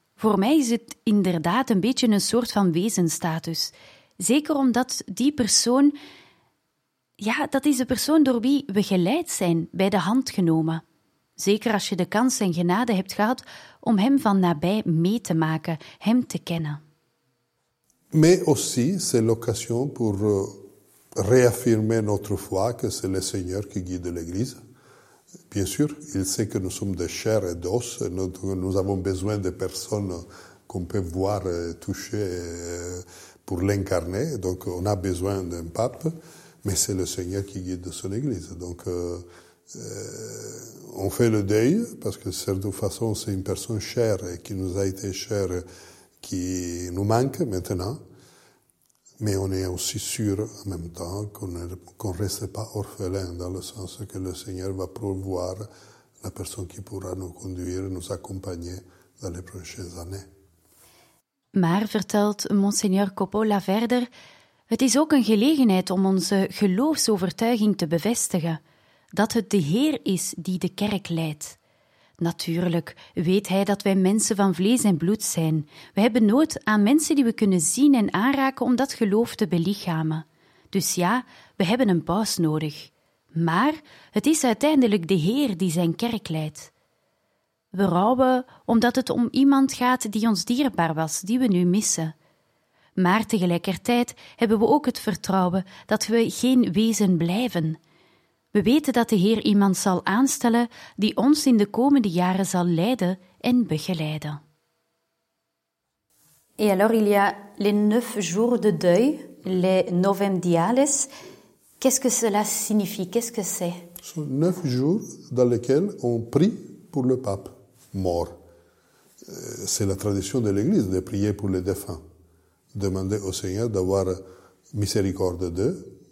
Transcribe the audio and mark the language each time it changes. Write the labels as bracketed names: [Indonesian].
[Dutch] Voor mij is het inderdaad een beetje een soort van wezenstatus. Zeker omdat die persoon, ja, dat is de persoon door wie we geleid zijn, bij de hand genomen. Zeker als je de kans en genade hebt gehad om hem van nabij mee te maken, hem te kennen. [French] Mais aussi, c'est l'occasion pour réaffirmer notre foi que c'est le Seigneur qui guide l'Église. Bien sûr, il sait que nous sommes de chair et d'os, nous avons besoin de personnes qu'on peut voir, toucher pour l'incarner, donc on a besoin d'un pape, mais c'est le Seigneur qui guide son Église. Donc on fait le deuil, parce que de certaine façon c'est une personne chère et qui nous a été chère, qui nous manque maintenant. Mais on est aussi sûr en même temps qu'on ne reste pas orphelin, dans le sens que le Seigneur va pourvoir la personne qui pourra nous conduire, nous accompagner dans les prochaines années. [Dutch] Maar, vertelt Monseigneur Coppola verder, het is ook een gelegenheid om onze geloofsovertuiging te bevestigen, dat het de Heer is die de kerk leidt. Natuurlijk weet hij dat wij mensen van vlees en bloed zijn. We hebben nood aan mensen die we kunnen zien en aanraken om dat geloof te belichamen. Dus ja, we hebben een paus nodig. Maar het is uiteindelijk de Heer die zijn kerk leidt. We rouwen omdat het om iemand gaat die ons dierbaar was, die we nu missen. Maar tegelijkertijd hebben we ook het vertrouwen dat we geen wezen blijven. We weten dat de Heer iemand zal aanstellen die ons in de komende jaren zal leiden en begeleiden. [French] Et alors il y a les neuf jours de deuil, les novem diales. Qu'est-ce que cela signifie? Qu'est-ce que c'est? Ce sont neuf jours dans lesquels on prie pour le pape mort. C'est la tradition de l'Église de prier pour les défunts, demander au Seigneur d'avoir miséricorde d'eux.